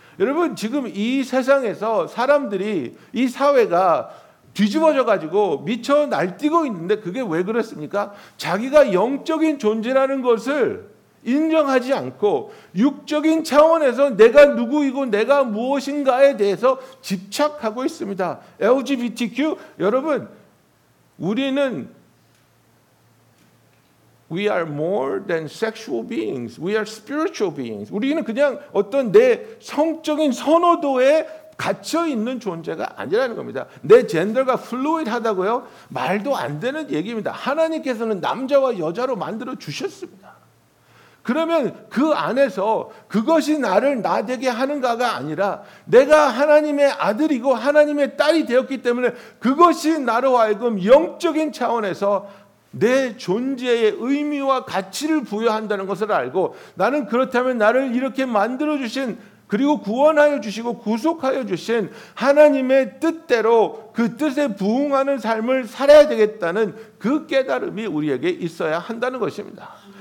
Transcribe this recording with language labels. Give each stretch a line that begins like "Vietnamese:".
Korean: 여러분 지금 이 세상에서 사람들이 이 사회가 뒤집어져 가지고 미쳐 날뛰고 있는데 그게 왜 그렇습니까? 자기가 영적인 존재라는 것을 인정하지 않고 육적인 차원에서 내가 누구이고 내가 무엇인가에 대해서 집착하고 있습니다.
English: LGBTQ
Korean: 여러분, 우리는
English: We are more than sexual beings. We are spiritual beings.
Korean: 우리는 그냥 어떤 내 성적인 선호도에 갇혀 있는 존재가 아니라는 겁니다. 내 젠더가 플루이드하다고요? 말도 안 되는 얘기입니다. 하나님께서는 남자와 여자로 만들어 주셨습니다. 그러면 그 안에서 그것이 나를 나되게 하는가가 아니라 내가 하나님의 아들이고 하나님의 딸이 되었기 때문에 그것이 나로 하여금 영적인 차원에서 내 존재의 의미와 가치를 부여한다는 것을 알고 나는 그렇다면 나를 이렇게 만들어 주신 그리고 구원하여 주시고 구속하여 주신 하나님의 뜻대로 그 뜻에 부응하는 삶을 살아야 되겠다는 그 깨달음이 우리에게 있어야 한다는 것입니다.